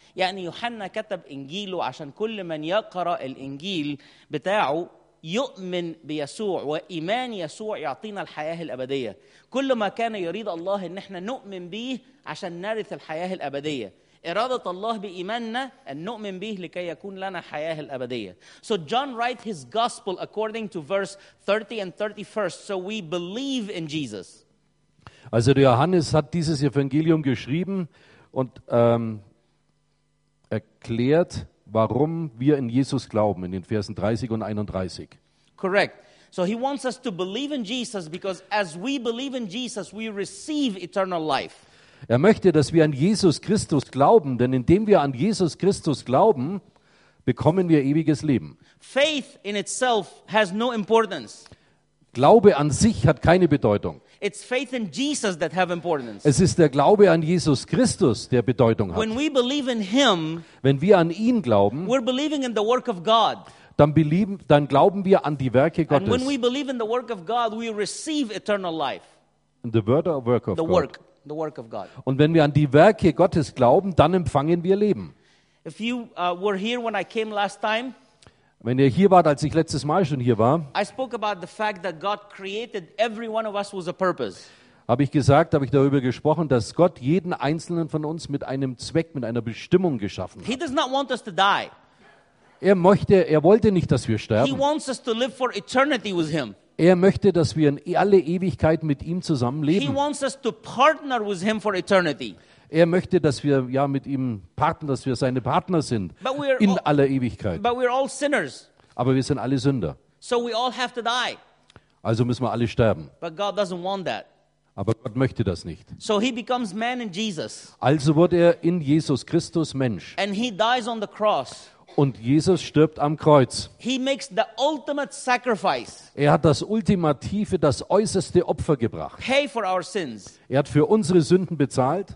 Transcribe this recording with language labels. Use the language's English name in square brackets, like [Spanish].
[Arabic] يعني يوحنا كتب إنجيله عشان كل من يقرأ الإنجيل بتاعه يؤمن بيسوع وإيمان يسوع يعطينا الحياة الأبدية. كل ما كان يريد الله إن احنا نؤمن به عشان نرث الحياة الأبدية. إرادة الله بإيماننا أن نؤمن به لكي يكون لنا حياة الأبدية. [English] So John writes his gospel according to verse 30 and 31st. So we believe in Jesus. [German] Also der Johannes hat dieses Evangelium geschrieben und erklärt, warum wir in Jesus glauben, in den Versen 30 und 31. [English] Correct. So he wants us to believe in Jesus because as we believe in Jesus, we receive eternal life. [German] Er möchte, dass wir an Jesus Christus glauben, denn indem wir an Jesus Christus glauben, bekommen wir ewiges Leben. [English] Faith in itself has no importance. [German] Glaube an sich hat keine Bedeutung. [English] It's faith in Jesus that have importance. [German] Es ist der Glaube an Jesus Christus, der Bedeutung hat. [English] When we believe in him, [German] wenn wir an ihn glauben, [English] we're believing in the work of God. [German] Dann glauben wir an die Werke Gottes. [English] And when we believe in the work of God, we receive eternal life. In the word or work of the God. Work. The work of God. [German] Und wenn wir an die Werke Gottes glauben, dann empfangen wir Leben. [English] If you were here when I came last time, [German] wenn ihr hier wart, als ich letztes Mal schon hier war, [English] I spoke about the fact that God created every one of us with a purpose. [German] Habe ich gesagt, habe ich darüber gesprochen, dass Gott jeden einzelnen von uns mit einem Zweck, mit einer Bestimmung geschaffen hat. [English] He does not want us to die. [German] Er wollte nicht, dass wir sterben. [English] He wants us to live for eternity with him. [German] Er möchte, dass wir in alle Ewigkeit mit ihm zusammenleben. [English] He wants us to partner with him for eternity. [German] Er möchte, dass wir ja mit ihm partnern, dass wir seine Partner sind in aller Ewigkeit. [English] But we're all sinners. [German] Aber wir sind alle Sünder. [English] So we all have to die. [German] Also müssen wir alle sterben. [English] But God doesn't want that. [German] Aber Gott möchte das nicht. [English] So he becomes man in Jesus. [German] Also wurde er in Jesus Christus Mensch. [English] And he dies on the cross. [German] Und Jesus stirbt am Kreuz. [English] He makes the ultimate sacrifice. [German] Er hat das ultimative, das äußerste Opfer gebracht. [English] Pay for our sins. [German] Er hat für unsere Sünden bezahlt.